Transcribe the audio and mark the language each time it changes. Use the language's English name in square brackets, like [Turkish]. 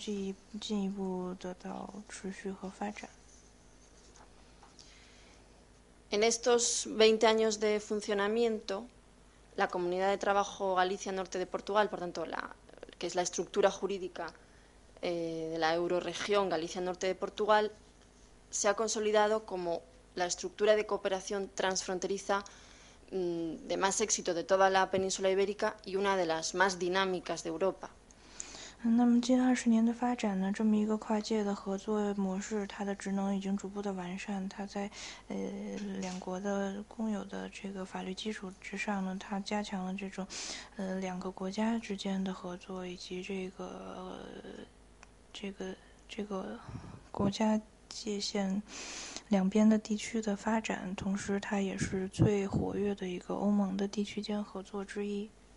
[Chinese] 那么这四个工作领域相对都是这个地区比较重要的一些方面，它也会在今后进一步得到持续和发展。 [Spanish] En estos 20 años de funcionamiento, la Comunidad de Trabajo Galicia Norte de Portugal, por tanto, que es la estructura jurídica de la euroregión Galicia Norte de Portugal, se ha consolidado como la estructura de cooperación transfronteriza de más éxito de toda la península ibérica y una de las más dinámicas de Europa. [Chinese] 那么近20年的发展呢，这么一个跨界的合作模式，它的职能已经逐步的完善。它在两国的公有的这个法律基础之上呢，它加强了这种两个国家之间的合作，以及这个国家界限两边的地区的发展。同时，它也是最活跃的一个欧盟的地区间合作之一。